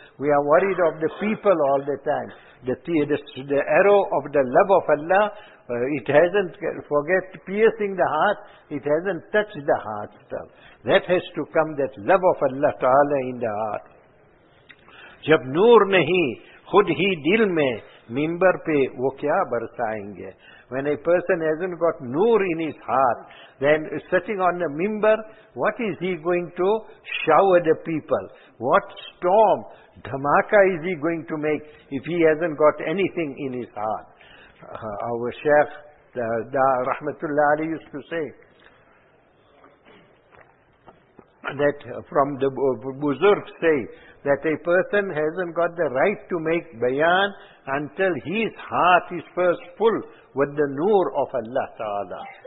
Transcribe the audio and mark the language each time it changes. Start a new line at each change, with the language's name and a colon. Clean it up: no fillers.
English: We are worried of the people all the time. The arrow of the love of Allah, it hasn't, forget piercing the heart, it hasn't touched the heart still. That has to come, that love of Allah Ta'ala in the heart.
Urdu: Jab noor nahi, khud hi dil mein, ممبر پہ وہ کیا برسائیں گے.
English: When a person hasn't got noor in his heart, then sitting on a minbar, what is he going to shower the people? What storm, dhamaka is he going to make if he hasn't got anything in his heart? Our Shaykh, Rahmatullah Ali, used to say that from the Buzurg say that a person hasn't got the right to make bayan until his heart is first full with the noor of Allah Ta'ala.